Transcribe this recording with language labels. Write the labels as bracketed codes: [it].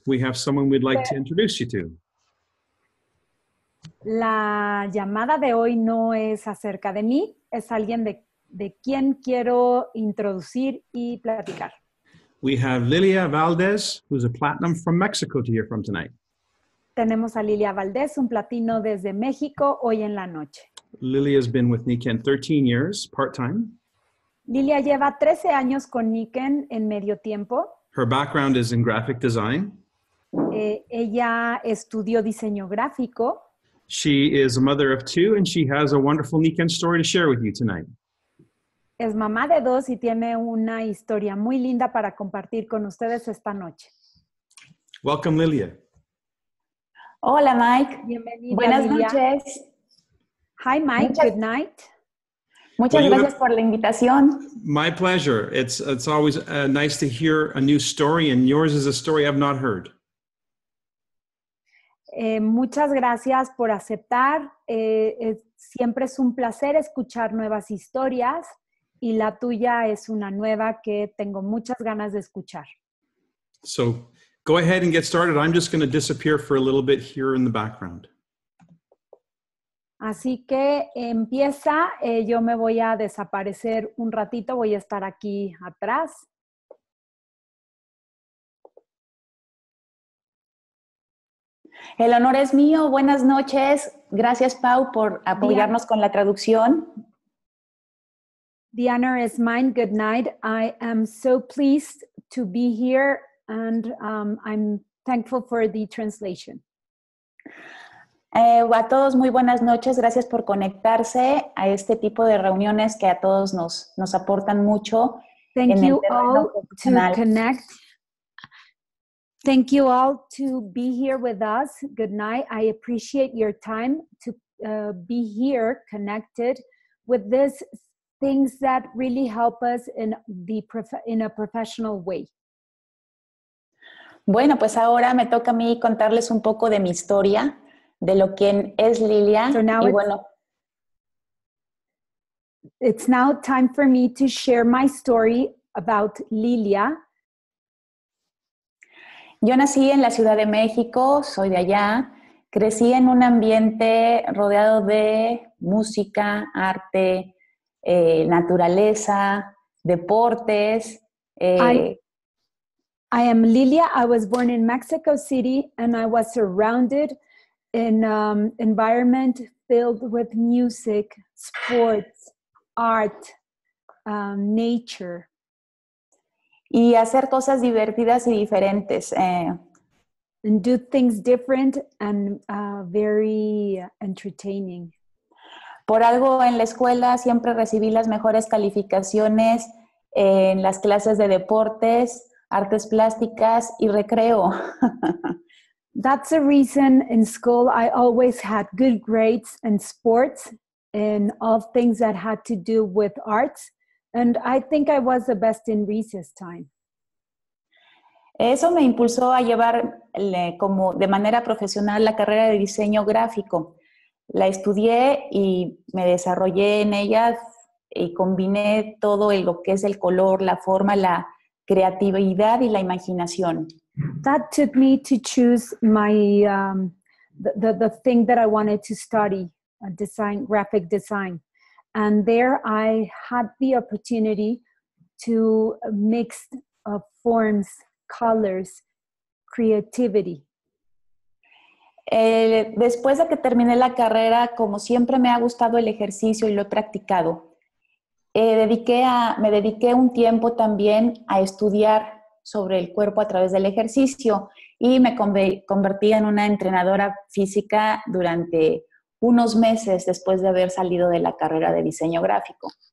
[en] We have someone we'd like to introduce you to. [es] La llamada de hoy no es acerca de mí, es alguien de quien quiero introducir y platicar. [en] We have Lilia Valdez, who's a platinum from Mexico to hear from tonight. [es] Tenemos a Lilia Valdez, un platino desde México, hoy en la noche. [en] Lilia has been with Nikken 13 years, part-time. [es] Lilia lleva 13 años con Nikken en medio tiempo. [en] Her background is in graphic design. [es] Ella estudió diseño gráfico. [en] She is a mother of two, and she has a wonderful Nikken story to share with you tonight. [es] Es mamá de dos y tiene una historia muy linda para compartir con ustedes esta noche. [en] Welcome, Lilia. [es] Hola, Mike. Bienvenida, Buenas Lilia. Noches. [en] Hi, Mike. [es] Muchas, [en] good night. [es] Muchas [en] well, [es] gracias por la invitación. [en] My pleasure. It's always nice to hear a new story, and yours is a story I've not heard. [es] Muchas gracias por aceptar. Siempre es un placer escuchar nuevas historias y la tuya es una nueva que tengo muchas ganas de escuchar. [en] So, go ahead and get started. I'm just going to disappear for a little bit here in the background. [es] Así que empieza. Yo me voy a desaparecer un ratito. Voy a estar aquí atrás. El honor es mío. Buenas noches. Gracias, Pau, por apoyarnos con la traducción. [en] The honor is mine. Good night. I am so pleased to be here and I'm thankful for the translation. [es] A todos, muy buenas noches. Gracias por conectarse a este tipo de reuniones que a todos nos aportan mucho. [en] Thank you all to connect. Thank you all to be here with us. Good night. I appreciate your time to be here connected with these things that really help us in the in a professional way. [es] Bueno, pues ahora me toca a mí contarles un poco de mi historia, de lo que es Lilia. [en] So now [es] y bueno. [en] It's now time for me to share my story about Lilia. [es] Yo nací en la Ciudad de México, soy de allá. Crecí en un ambiente rodeado de música, arte, naturaleza, deportes. [en] I am Lilia. I was born in Mexico City and I was surrounded in an environment filled with music, sports, art, nature. [es] Y hacer cosas divertidas y diferentes. [en] And do things different and very entertaining. [es] Por algo en la escuela siempre recibí las mejores calificaciones en las clases de deportes, artes plásticas y recreo. [en] That's the reason in school I always had good grades in sports and all things that had to do with arts. And I think I was the best in recess time. [es] Eso me impulsó a llevar como de manera profesional la carrera de diseño gráfico. La estudié y me desarrollé en ella y combiné todo lo que es el color, la forma, la creatividad y la imaginación. [en] That took me to choose my the thing that I wanted to study, design, graphic design. And there I had the opportunity to mix forms, colors, creativity. [es] Después de que terminé la carrera, como siempre me ha gustado el ejercicio y lo he practicado, me dediqué un tiempo también a estudiar sobre el cuerpo a través del ejercicio y me convertí en una entrenadora física durante unos meses después de haber salido de la carrera de diseño gráfico.